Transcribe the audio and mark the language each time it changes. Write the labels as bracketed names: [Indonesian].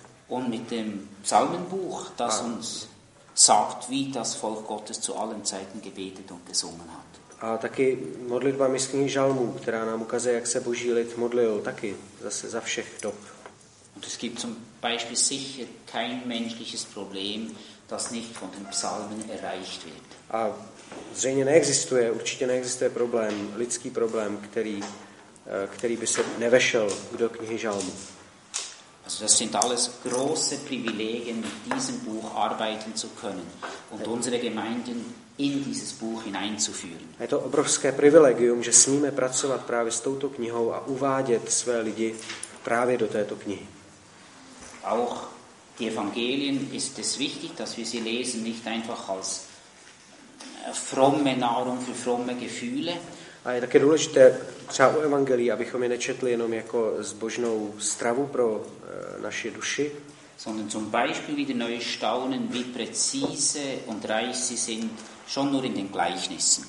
[German] Und mit dem Psalmenbuch, das uns sagt, wie das Volk Gottes zu allen Zeiten gebetet und gesungen hat. [Czech] A taky modlitba z knihy Žalmů, která nám ukazuje, jak se Boží lid modlil taky zase za všech dob. [German] Und es gibt zum Beispiel sicher kein menschliches Problem, das nicht von den Psalmen erreicht wird. [Czech] A zřejmě neexistuje, určitě neexistuje problém, lidský problém, který by se nevešel do knihy Žalmů. [German] Also das sind alles große Privilegien, mit diesem Buch arbeiten zu können und unsere Gemeinden in dieses Buch hineinzuführen. [Czech] Je to obrovské privilegium, že smíme pracovat právě s touto knihou a uvádět své lidi právě do této knihy. [German] Auch die Evangelien ist es wichtig, dass wir sie lesen nicht einfach als fromme Nahrung für fromme Gefühle. [Czech] A je také důležité třeba o evangelii, abychom je nečetli jenom jako zbožnou stravu pro naše duši. [German] Sondern zum Beispiel wieder neu staunen, wie präzise und reich sie sind, schon nur in den Gleichnissen.